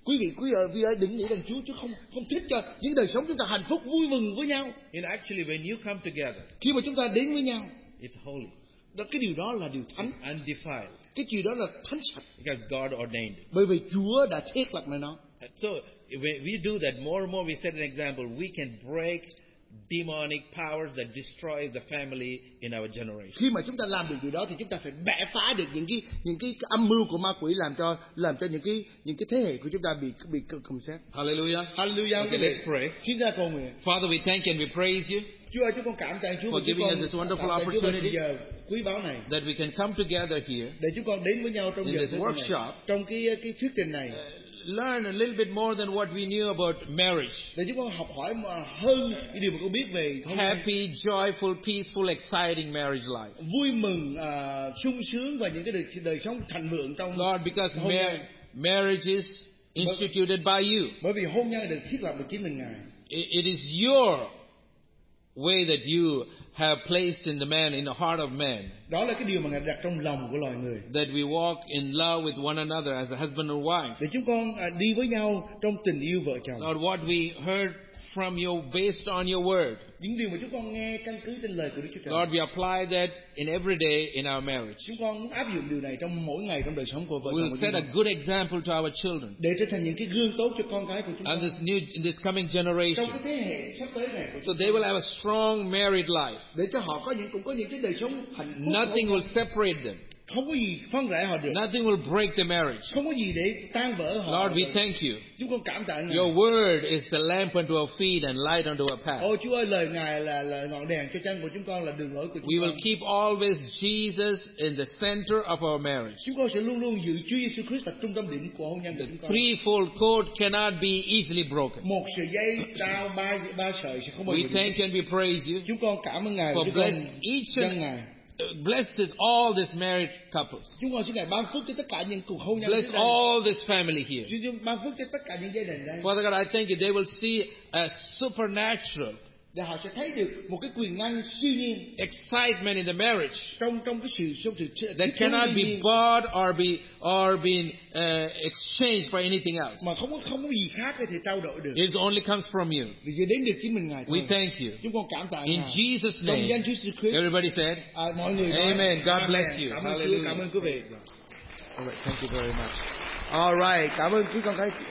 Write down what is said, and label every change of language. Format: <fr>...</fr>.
<vi>Quý vị ơi, đừng nghĩ rằng Chúa không thích cho những đời sống chúng ta hạnh phúc vui mừng với nhau.</vi> <en>And actually, when you come together,</en> <vi>khi mà chúng ta đến với nhau,</vi> <en>it's holy.</en> <vi>Cái điều đó là điều thánh.</vi> <en>It's undefiled.</en> <vi>Cái điều đó là thánh sạch.</vi> <en>Because God ordained it.</en> <vi>Bởi vì Chúa đã thiết lập nó.</vi> <en>So we do that more and more. We set an example. We can break demonic powers that destroy the family in our generation.</en> <vi>Khi mà chúng ta làm được điều đó thì chúng ta phải bẻ phá được những cái âm mưu của ma quỷ làm cho những cái thế hệ của chúng ta bị cầm xét.</vi> <en>Hallelujah. Hallelujah. Okay, let's pray.</en> <vi>Xin ra cầu nguyện.</vi> <en>Father, we thank and we praise you.</en> <vi>Chúa ơi, chúng con cảm tạ Chúa</vi> <en>for giving us this wonderful opportunity.</en> <vi>Quý báu này.</vi> <en>That we can come together here.</en> <vi>Để chúng con đến với nhau trong</vi> <en>this workshop.</en> <vi>Này, trong cái thuyết trình này.</vi> <en>Learn a little bit more than what we knew about marriage.</en> <vi>Để chúng con học hỏi mà hơn cái điều mà con biết về</vi> <en>happy, joyful, peaceful, exciting marriage life.</en> <vi>Vui mừng, sung sướng và những cái đời sống thịnh vượng trong</vi> <en>Lord, because marriage is instituted by you.</en> <vi>Bởi vì hôn nhân được thiết lập bởi chính mình Ngài.</vi> <en>It is your way that you have placed in the man, in the heart of man.</en> <vi>Đó là cái điều mà Ngài đặt trong lòng của loài người.</vi> <en>That we walk in love with one another as a husband and wife.</en> <vi>Để chúng con đi với nhau trong tình yêu vợ chồng.</vi> <en>Lord, what we heard from your based on your word.</en> <vi>Những điều mà chúng con nghe căn cứ trên lời của Đức Chúa Trời.</vi> <en>Lord, we apply that in every day in our marriage.</en> <vi>Chúng con áp dụng điều này trong mỗi ngày trong đời sống của vợ chồng.</vi> <en>We'll set a good example to our children.</en> <vi>Để trở thành những cái gương tốt cho con cái của chúng ta.</vi> <en>And this coming generation.</en> <vi>Trong cái thế hệ sắp tới này.</vi> <en>So they will have a strong married life.</en> <vi>Để cho họ cũng có những cái đời sống hạnh phúc.</vi> <en>Nothing will separate them.</en> <vi>Không có gì phân rẽ họ được.</vi> <en>Nothing will break the marriage.</en> <vi>Không có gì để tan vỡ họ.</vi> <en>Lord, we thank you.</en> <vi>Chúng con cảm tạ Ngài.</vi> <en>Your word is the lamp unto our feet and light unto our path.</en> <vi>Ôi Chúa ơi, lời Ngài là ngọn đèn cho chân của chúng con, là đường lối của chúng con.</vi> <en>We will keep always Jesus in the center of our marriage.</en> <vi>Chúng con sẽ luôn luôn giữ Chúa Jesus Christ là trung tâm điểm của hôn nhân của chúng con.</vi> <en>The threefold cord cannot be easily broken.</en> <vi>Một sợi dây tao ba sợi sẽ không bao giờ.</vi> <en>We thank and we praise you.</en> <vi>Chúng con cảm ơn Ngài.</vi> <en>For bless each and</en> <vi>Ngài.</vi> <en>Blesses all these married couples.</en> <vi>Chúng con xin Ngài ban phước cho tất cả những cuộc hôn nhân.</vi> <en>Bless all this family here.</en> <vi>Xin ban phước cho tất cả những gia đình đây.</vi> <en>Father God, I thank you. They will see a supernatural.</en> <vi>Để họ sẽ thấy được một cái quyền năng siêu nhiên.</vi> <en>Excitement in the marriage.</en> <vi>Trong cái sự</vi> <en>that cannot be bought or being exchanged for anything else.</en> <vi>Mà không có gì khác có thể trao đổi được.</vi> <en>It only comes from you.</en> <vi>Vì vậy đến được chính mình Ngài.</vi> <en>We thank you.</en> <vi>Chúng con cảm tạ Ngài.</vi> <en>In Jesus' name.</en> <vi>Trong danh Chúa Christ.</vi> <en>Everybody said.</en> <vi>Mọi người.</vi> <en>Amen.</en> <vi>Nói,</vi> <en>God bless you.</en> <vi>Cảm</vi> <en>Hallelujah.</en> <vi>Cảm ơn quý vị.</vi> <en>All right. Thank you very much. All right.</en> <vi>Cảm ơn quý con gái.</vi>